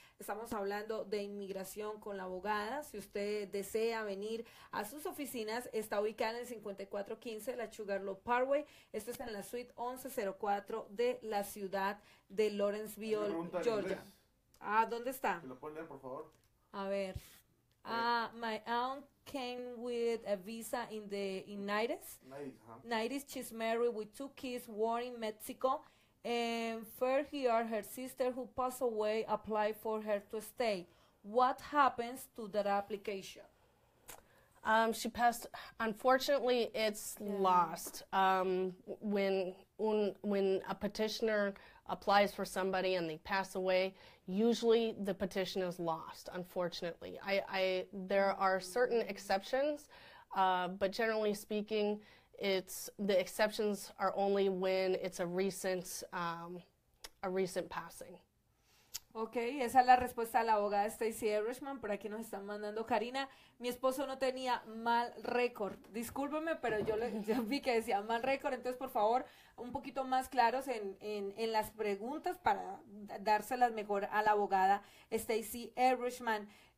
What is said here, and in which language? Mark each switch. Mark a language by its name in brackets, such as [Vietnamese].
[Spanish] Estamos hablando de inmigración con la abogada. Si usted desea venir a sus oficinas, está ubicada en el 5415 de la Sugarloaf Parkway. Esto es en la suite 1104 de la ciudad de Lawrenceville, Georgia. ¿Dónde está? ¿Lo pueden leer, por favor? A ver. [English] My aunt came with a visa in the United States. She's married with two kids, one in Mexico. And first here, her sister who passed away applied for her to stay. What happens to that application? She passed. Unfortunately, it's lost. When a petitioner applies for somebody and they pass away, usually the petition is lost, unfortunately. There are certain exceptions, but generally speaking, the exceptions are only when it's a recent passing. [Spanish] Okay, esa es la respuesta de la abogada Stacy Erishman. Por aquí nos están mandando Karina. Mi esposo no tenía mal récord. Discúlpeme, pero yo vi que decía mal récord. Entonces, por favor, un poquito más claros en las preguntas para dárselas mejor a la abogada Stacy Erishman.